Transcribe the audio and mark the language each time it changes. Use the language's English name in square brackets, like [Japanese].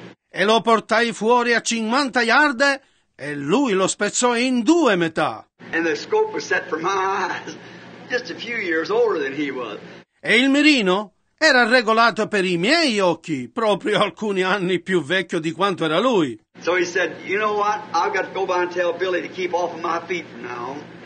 [Italian] E lo portai fuori a 50 yard e lui lo spezzò in 2 metà. [English] And the scope was set for my eyes, just a few years older than he was. [Italian] E il mirino? Era regolato per i miei occhi, proprio alcuni anni più vecchio di quanto era lui. [English] So he said, you know what? I've got to go by and tell Billy to keep off of my feet now.